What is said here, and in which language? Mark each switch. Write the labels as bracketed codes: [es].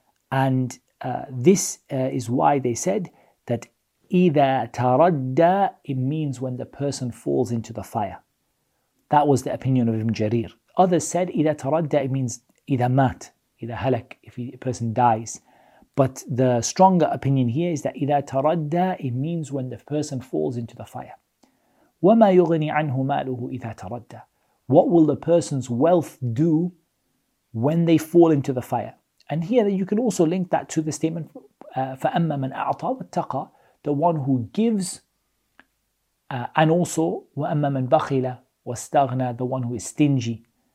[en] And this is why they said that [ar] إِذَا تَرَدَّى, [en] it means when the person falls into the fire. That was the opinion of Ibn Jarir. Others said [ar] إذا تردى, [en] it means [ar] إذا مات, إذا هلك, [en] if a person dies. But the stronger opinion here is that [ar] إذا تردى, [en] it means when the person falls into the fire. [ar] وما يغني عنه ماله إذا تردى. [en] What will the person's wealth do when they fall into the fire? And here you can also link that to the statement [ar] فأما من أعطى واتقى, [en] the one who gives, and also [ar] وأما من بخل واستغنى, [en] the one who is stingy.